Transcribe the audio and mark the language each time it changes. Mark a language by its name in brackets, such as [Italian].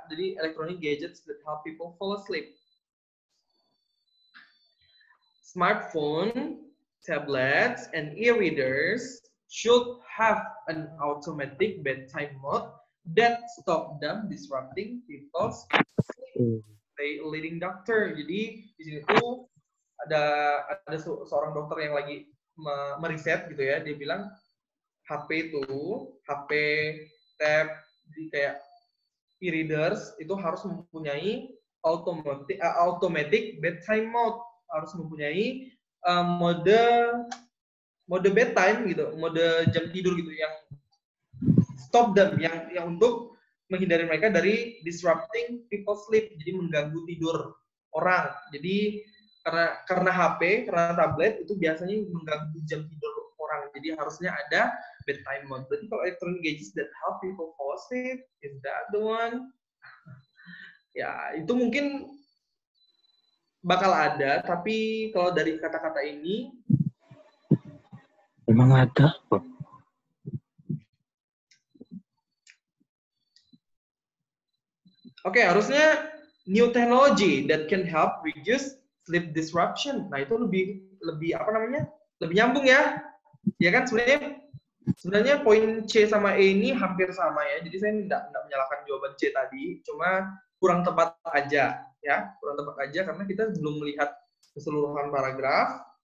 [English] Jadi electronic gadgets that help people fall asleep. Smartphone, tablets, and e-readers should have an automatic bedtime mode that stop them disrupting people's sleep. Leading doctor. [Indonesian] Jadi di sini tuh ada seorang dokter yang lagi meriset gitu ya. Dia bilang HP itu, HP, tab, kayak e-readers itu harus mempunyai automatic bedtime mode. Harus mempunyai mode bedtime gitu, mode jam tidur gitu yang stop them, yang untuk menghindari mereka dari [English] disrupting people sleep, [Indonesian] jadi mengganggu tidur orang. Jadi karena HP, karena tablet itu biasanya mengganggu jam tidur orang. Jadi harusnya ada bedtime mode. Berarti kalau [English] electronic gadgets that help people fall asleep, is that the one? [Indonesian] Ya, itu mungkin bakal ada, tapi kalau dari kata-kata ini emang ada kok. Oke, harusnya [English] new technology that can help reduce sleep disruption. [Indonesian] Nah, itu lebih apa namanya? Lebih nyambung ya. Ya kan sebenarnya poin C sama E ini hampir sama ya. Jadi saya enggak menyalahkan jawaban C tadi, cuma kurang tepat aja ya. Kurang tepat aja karena kita belum melihat keseluruhan paragraf.